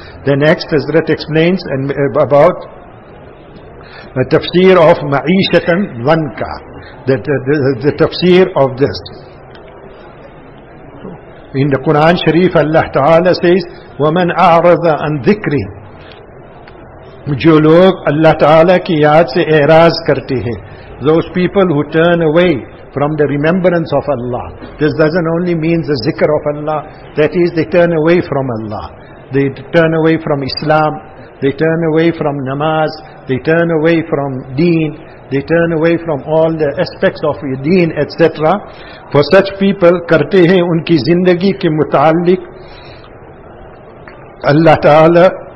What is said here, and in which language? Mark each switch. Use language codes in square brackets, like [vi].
[en] The next, Hazrat explains and about the tafsir of Ma'ishatan Dhanka, the tafsir of this. In the Quran Sharif, Allah Ta'ala says, [ar] وَمَنْ أَعْرَضَ عَنْ ذِكْرِ. [ur] جو لوگ اللہ تعالیٰ کی یاد سے اعراض کرتے ہیں. [en] Those people who turn away from the remembrance of Allah. This doesn't only mean the zikr of Allah. That is, they turn away from Allah. They turn away from Islam. They turn away from namaz. They turn away from deen. They turn away from all the aspects of deen, etc. For such people, [ur] کرتے ہیں ان کی زندگی کے متعلق اللہ تعالیٰ